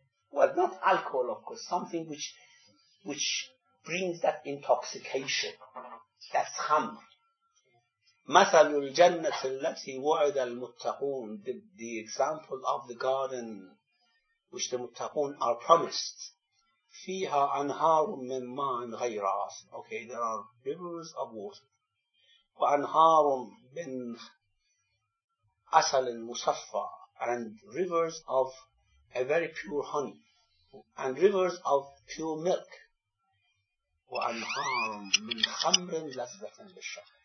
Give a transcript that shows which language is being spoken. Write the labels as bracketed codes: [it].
[en] Well, not alcohol, of course. Something which brings that intoxication. That's khamr. [ar] مثل الجنة التي وعد المتقون, [en] the example of the garden which the muttaqun are promised. [ar] فيها أنهار من ماء غير عاصم. [en] Okay, there are rivers of water. [ar] وأنهار من عسل مصفى, [en] and rivers of a very pure honey, and rivers of pure milk. [ar] وأنهار من خمر لذة للشرب.